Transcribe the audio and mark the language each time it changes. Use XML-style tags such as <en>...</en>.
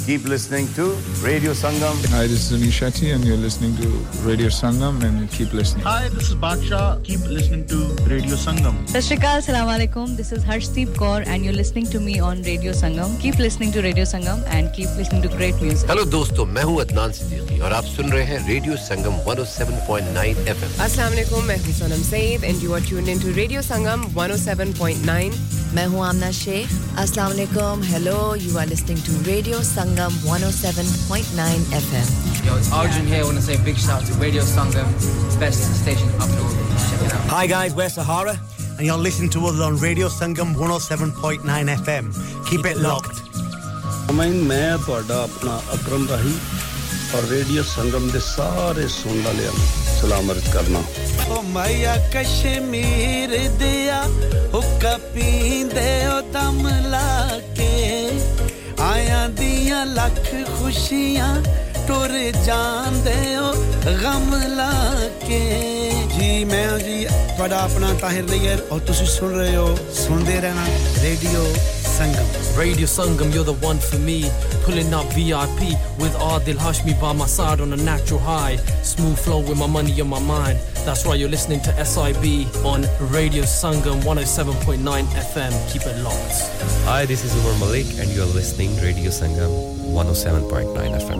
<en>Keep listening to Radio Sangam. Hi, this is Anish Shetty, and you're listening to Radio Sangam, and keep listening. Hi, this is Baksha. Keep listening to Radio Sangam.</en> <pa>Sashrikal, Assalamu Alaikum.</pa> <en>This is Harshdeep Kaur, and you're listening to me on Radio Sangam. Keep listening to Radio Sangam, and keep listening to great music. Hello, dosto. I'm Adnan Siddiqui.</en> <ur>اور آپ سن رہے ہیں radio سنگم 107.9 FM. السلام علیکم, میں ہوں</ur> <en>Sonam Saeed and you are tuned in to radio Sangam 107.9.</en> <ur>میں ہوں آمنہ شیخ. السلام علیکم,</ur> <en>Hello, you are listening to radio Sangam 107.9 FM. Arjun here, want to say big shout to radio Sangam, best station up to. Hi guys, we're Sahara, and you are listening to us on radio Sangam 107.9 FM. Keep it locked.</en> <pa>میں تہاڈا اپنا اکرم راہی اور radio سنگم دے سارے سننے والے سلام عرض کرنا. او مایا کشمیر دیا حکا پیندے او دم لا کے آیا دیا لکھ خوشیاں ٹر جان دے او غم لا کے. جی میں جی بڑا اپنا طاہر نیر اور تسی سن رہے ہو, سنتے رہنا radio Sangam.</pa> <en>Radio Sangam, you're the one for me. Pulling up VIP with Adil Hashmi by my side on a natural high. Smooth flow with my money on my mind. That's why you're listening to SIB on Radio Sangam 107.9 FM. Keep it locked. Hi, this is Umar Malik and you're listening to Radio Sangam 107.9 FM.</en>